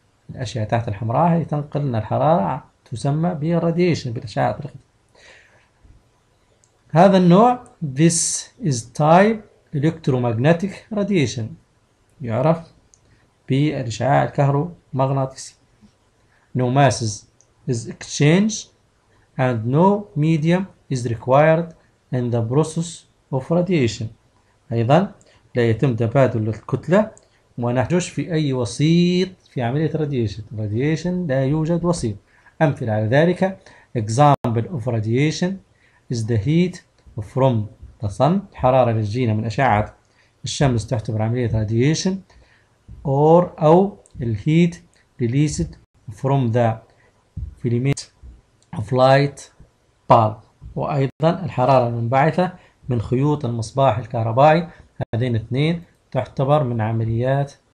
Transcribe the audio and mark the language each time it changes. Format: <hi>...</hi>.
<ar>الأشعة تحت الحمراء هي تنقل لنا الحرارة تسمى بالراديشن بالأشعة. هذا النوع</ar> <en>this is type electromagnetic radiation</en> <ar>يعرف بالإشعاع الكهرومغناطيسي.</ar> <en>No masses is exchanged and no medium is required in the process of radiation.</en> <ar>أيضا لا يتم تبادل الكتلة ونحتاجش في أي وسيط في عملية radiation. Radiation لا يوجد وسيط. أمثلة على ذلك</ar> <en>example of radiation is the heat from the sun</en> <ar>الحرارة اللي تجينا من أشعة الشمس تعتبر عملية radiation or أو الهيت</ar> <en>released from the filament of light bulb</en> <ar>وأيضا الحرارة المنبعثة من خيوط المصباح الكهربائي، هذين اثنين تعتبر من عمليات</ar>